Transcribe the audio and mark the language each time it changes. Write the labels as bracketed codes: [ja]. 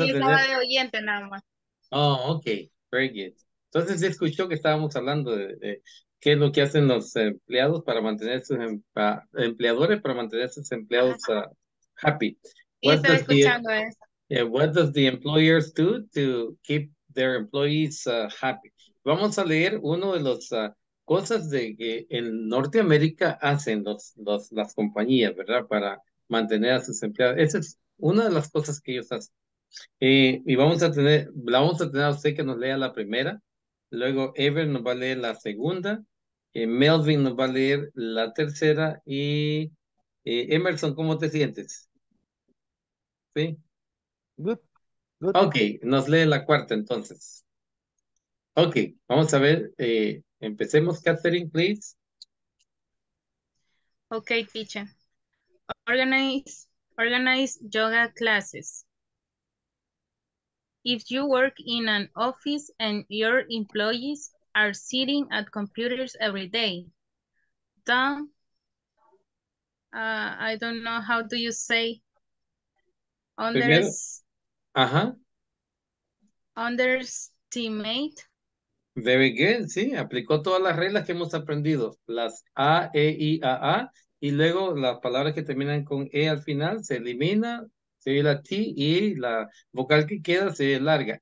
[es] a tener... Sí, estaba de oyente nada más. [en] Oh, okay, very good. [es] Entonces, escuchó que estábamos hablando de qué es lo que hacen los empleados para mantener sus empleadores, para mantener sus empleados happy. What y estaba escuchando eso. [en] What does the employers do to keep their employees happy? [es] Vamos a leer uno de los cosas de que en Norteamérica hacen las compañías, ¿verdad? Para mantener a sus empleados. Esa es una de las cosas que ellos hacen. Y vamos a tener a usted que nos lea la primera, luego Ever nos va a leer la segunda, Melvin nos va a leer la tercera y Emerson, ¿cómo te sientes? ¿Sí? [en] Good. [es] Ok, nos lee la cuarta entonces. Ok, vamos a ver, empecemos, Catherine, please. [en] Ok, teacher. Organize yoga classes. If you work in an office and your employees are sitting at computers every day, then I don't know how do you say underestimate. Very good, [es] sí, aplicó todas las reglas que hemos aprendido, las A, E, I, A, A, y luego las palabras que terminan con E al final se elimina. Se ve la T y la vocal que queda se ve larga.